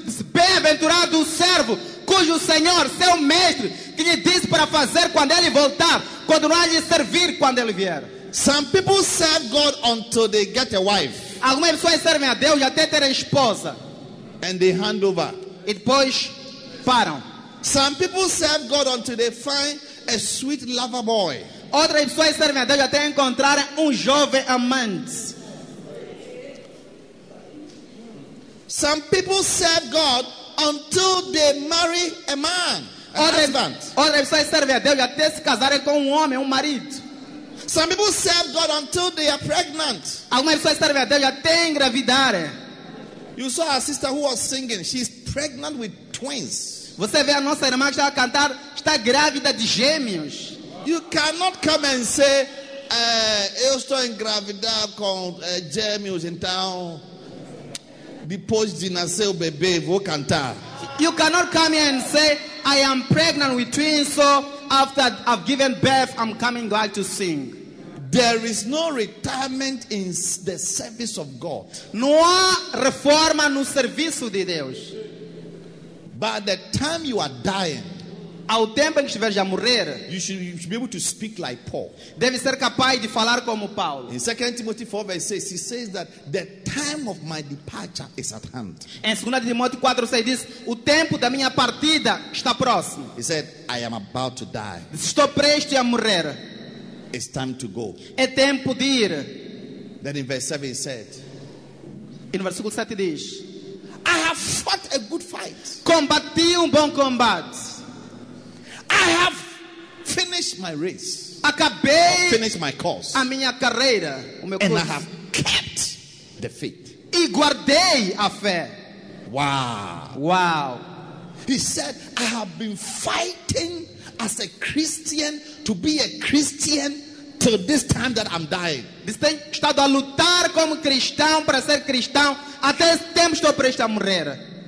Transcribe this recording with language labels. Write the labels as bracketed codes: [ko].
[pt] Bem-aventurado o servo, cujo Senhor, seu mestre, que lhe disse para fazer quando ele voltar, quando não há lhe servir quando ele vier. [en] Some people serve God until they get a wife. [pt] Algumas pessoas servem a Deus até terem esposa. [en] And they hand over. [pt] E depois param. [en] Some people serve God until they find a sweet lover boy. [pt] Outras pessoas servem a Deus até encontrar jovem amante. [en] Some people serve God until they marry a man. [pt] Outras pessoas servem a Deus até se casarem com homem, marido. [en] Some people serve God until they are pregnant. [pt] Algumas pessoas servem a Deus até engravidar. [en] You saw our sister who was singing. She's pregnant with twins. [pt] Você vê a nossa irmã que está a cantar, está grávida de gêmeos. [en] You cannot come and say, [pt] eu estou engravidada com gêmeos, então depois de nascer o bebê vou cantar. [en] You cannot come here and say, I am pregnant with twins, so after I've given birth, I'm coming glad to sing. There is no retirement in the service of God. [pt] Não há reforma no serviço de Deus. [en] By the time you are dying, [pt] ao tempo em que estiver a morrer, [en] you should be able to speak like Paul. [pt] Deve ser capaz de falar como Paulo. [en] In 2 Timothy 4, verse 6, he says that the time of my departure is at hand. [pt] Em 2 Timóteo 4, 6, diz, o tempo da minha partida está próximo. [en] He said, I am about to die. [pt] Estou prestes a morrer. [en] It's time to go. [pt] É tempo de ir. [en] Then in verse 7, he said, [pt] e no versículo 7 diz, [en] I have fought a good fight. [pt] Combati bom combate. [en] I have finished my race. [pt] Acabei. [en] Finished my course. [pt] A minha carreira, o meu [en] curso. And I have kept the faith. [pt] E guardei a fé. [en] Wow. He said, I have been fighting as a Christian to be a Christian till this time that I'm dying. [pt] Diz, tenho estado a lutar como cristão para ser cristão até esse tempo estou prestes a morrer.